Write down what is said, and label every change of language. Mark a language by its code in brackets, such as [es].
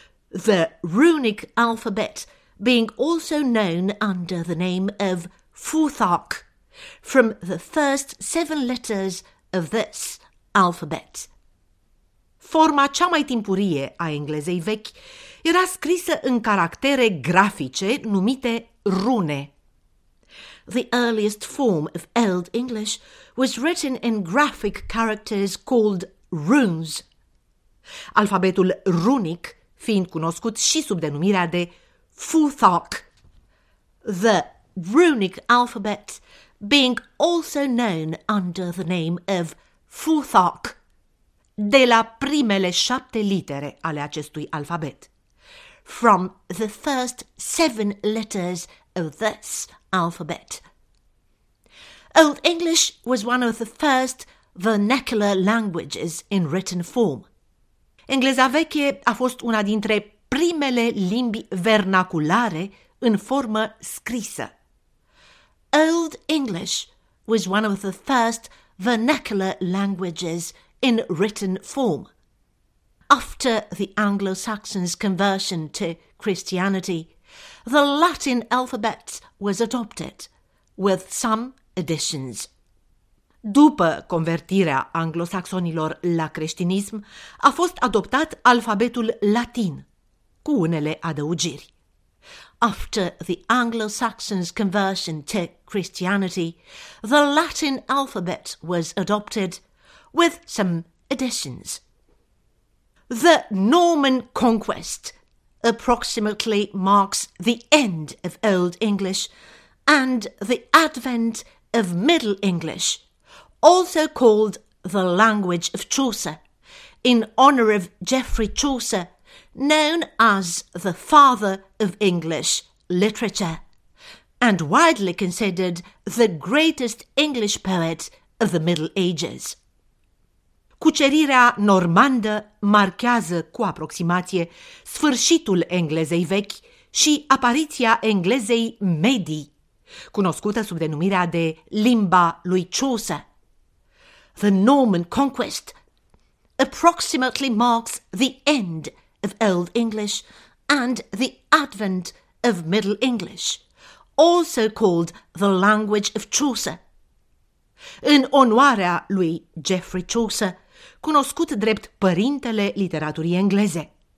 [en] The runic alphabet being also known under the name of Futhark, from the first seven letters of this alphabet. [ro] Forma cea mai timpurie a englezei vechi era scrisă în caractere grafice numite rune. [en] The earliest form of Old English was written in graphic characters called runes. [ro] Alfabetul runic fiind cunoscut și sub denumirea de Futhark. [en] The runic alphabet being also known under the name of Futhark. [ro] De la primele șapte litere ale acestui alfabet. [en] From the first seven letters of this alphabet. Old English was one of the first vernacular languages in written form. [ro] Engleza veche a fost una dintre primele limbi vernaculare în formă scrisă. [en] Old English was one of the first vernacular languages in written form. After the Anglo-Saxons' conversion to Christianity, the Latin alphabet was adopted, with some additions. [ro] După convertirea anglosaxonilor la creștinism, a fost adoptat alfabetul latin, cu unele adăugiri. [en] After the Anglo-Saxons' conversion to Christianity, the Latin alphabet was adopted, with some additions. The Norman Conquest approximately marks the end of Old English and the advent of Middle English, also called the language of Chaucer, in honour of Geoffrey Chaucer, known as the father of English literature, and widely considered the greatest English poet of the Middle Ages. [ro] Cucerirea normandă marchează cu aproximație sfârșitul englezei vechi și apariția englezei medii, cunoscută sub denumirea de limba lui Chaucer. [en] The Norman Conquest approximately marks the end of Old English and the advent of Middle English, also called the language of Chaucer. [ro] În onoarea lui Geoffrey Chaucer, cunoscut drept părintele literaturii engleze.